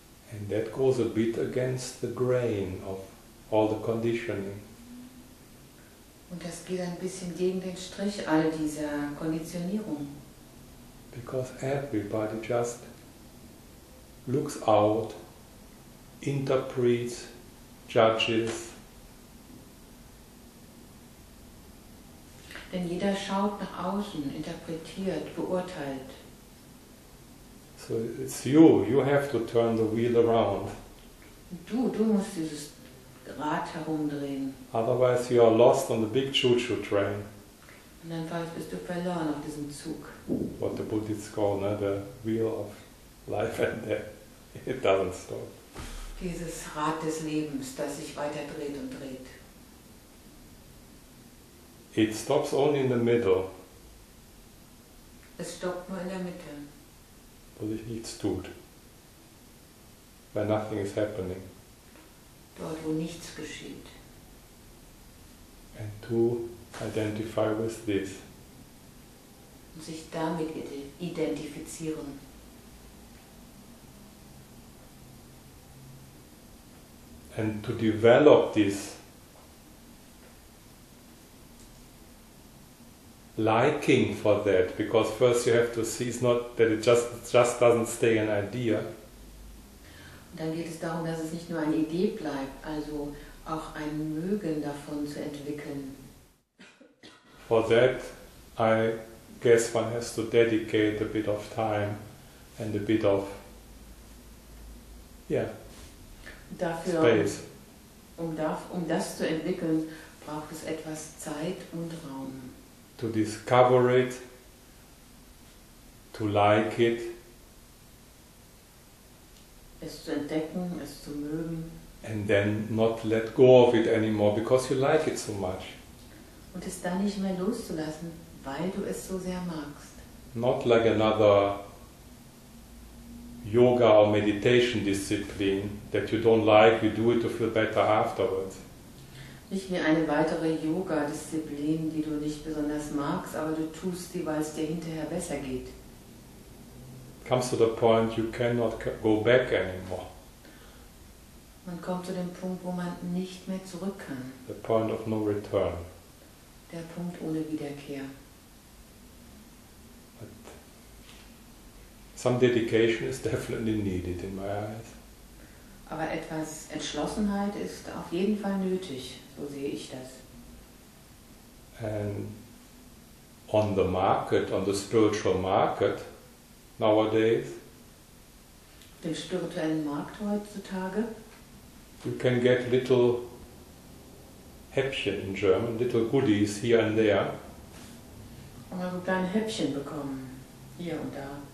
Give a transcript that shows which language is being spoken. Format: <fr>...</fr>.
<en>And that goes a bit against the grain of all the conditioning.</en> <de>Und das geht ein bisschen gegen den Strich all dieser Konditionierung.</de> <en>Because everybody just looks out, interprets, judges.</en> <de>Denn jeder schaut nach außen, interpretiert, beurteilt.</de> <en>So it's you have to turn the wheel around.</en> <de>Du musst dieses Rad herumdrehen.</de> <en>Otherwise you are lost on the big choo-choo train.</en> <de>Und dann bist du verloren auf diesem Zug.</de> <en>What the Buddhists call, ne, the wheel of life and death. It doesn't stop.</en> <de>Dieses Rad des Lebens, das sich weiter dreht und dreht.</de> <en>It stops only in the middle.</en> <de>Es stoppt nur in der Mitte. Wo sich nichts tut.</de> <en>Where nothing is happening.</en> <de>Dort, wo nichts geschieht.</de> <en>And to identify with this.</en> <de>Und sich damit identifizieren.</de> <en>And to develop this liking for that, because first you have to see it's not that it just doesn't stay an idea.</en> <de>Und dann geht es darum, dass es nicht nur eine Idee bleibt, also auch ein Mögen davon zu entwickeln.</de> <en>For that, I guess one has to dedicate a bit of time and a bit of,</en> <de>dafür,</de> <en>space.</en> <de>Um das zu entwickeln, braucht es etwas Zeit und Raum.</de> <en>To discover it, to like it.</en> <de>Es zu entdecken, es zu mögen.</de> <en>And then not let go of it anymore, because you like it so much.</en> <de>Und es dann nicht mehr loszulassen, weil du es so sehr magst.</de> <en>Not like another yoga or meditation discipline that you don't like, you do it to feel better afterwards.</en> <de>Nicht wie eine weitere Yoga-Disziplin, die du nicht besonders magst, aber du tust sie, weil es dir hinterher besser geht.</de> <en>Comes to the point, you cannot go back anymore.</en> <de>Man kommt zu dem Punkt, wo man nicht mehr zurück kann.</de> <en>The point of no return.</en> <de>Der Punkt ohne Wiederkehr.</de> <en>But some dedication is definitely needed in my eyes.</en> <de>Aber etwas Entschlossenheit ist auf jeden Fall nötig, so sehe ich das.</de> <en>And on the market, on the spiritual market nowadays,</en> <de>den spirituellen Markt heutzutage,</de> <en>you can get little Häppchen in German, little goodies here and there.</en> <de>Und man kann kleine Häppchen bekommen, hier und da.</de>